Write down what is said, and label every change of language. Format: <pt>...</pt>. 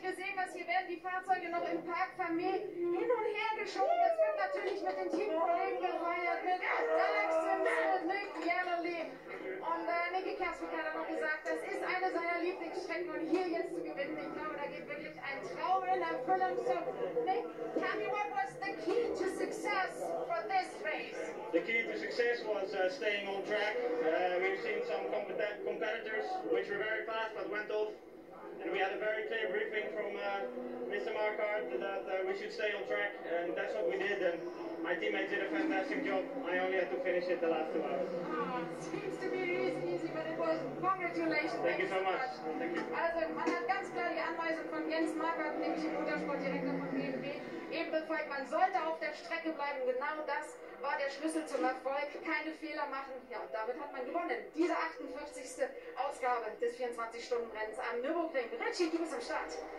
<de>Wir sehen das, hier werden die Fahrzeuge noch im Park hin und her geschoben. Das wird natürlich mit den Teamkollegen gefeiert, mit Alex Simpson, mit Nick Jannerly. Und Nicky Kerstmann hat auch noch gesagt, das ist eine seiner Lieblingsstrecken und hier jetzt zu gewinnen, ich glaube, da geht wirklich ein Traum in Erfüllung.</de> <en>So Nick, tell me what was the key to success for this race? The key to success was staying on track. We've seen some competitors which were very fast but went off. And we had a very clear briefing from Mr. Marquardt that we should stay on track. And that's what we did. And my teammates did a fantastic job. I only had to finish it the last 2 hours. Oh, it seems to be easy, but it was. Congratulations. Thank you so much.</en> <de>Also, man hat ganz klar die Anweisung von Jens Marquardt, nämlich im Motorsportdirektor von BMW, eben befolgt. Man sollte auf der Strecke bleiben. Genau das war der Schlüssel zum Erfolg. Keine Fehler machen. Ja, und damit hat man gewonnen. Diese 48. Ausgabe des 24-Stunden-Rennens am Nürburgring. Richie, du bist am Start.</de>